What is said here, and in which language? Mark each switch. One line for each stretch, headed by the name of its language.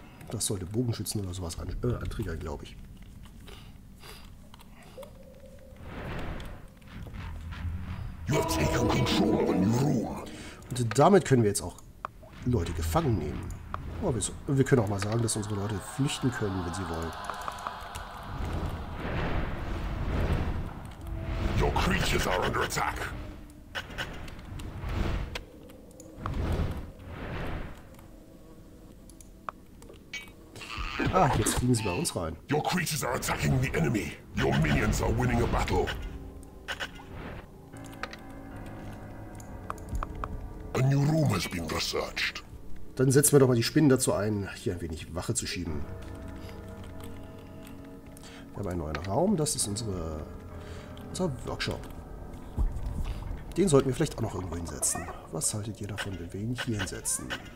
German: Das sollte Bogenschützen oder sowas antriggern, glaube ich.
English: You have taken control of a new room.
German: Und damit können wir jetzt auch Leute gefangen nehmen. Aber wir können auch mal sagen, dass unsere Leute flüchten können, wenn sie wollen.
English: Your creatures are under attack.
German: Ah, jetzt fliegen sie bei uns rein.
English: Your creatures are attacking the enemy. Your minions are winning a battle. A new room has been researched.
German: Dann setzen wir doch mal die Spinnen dazu ein, hier ein wenig Wache zu schieben. Wir haben einen neuen Raum, das ist unser Workshop. Den sollten wir vielleicht auch noch irgendwo hinsetzen. Was haltet ihr davon, wenn wir ihn hier hinsetzen?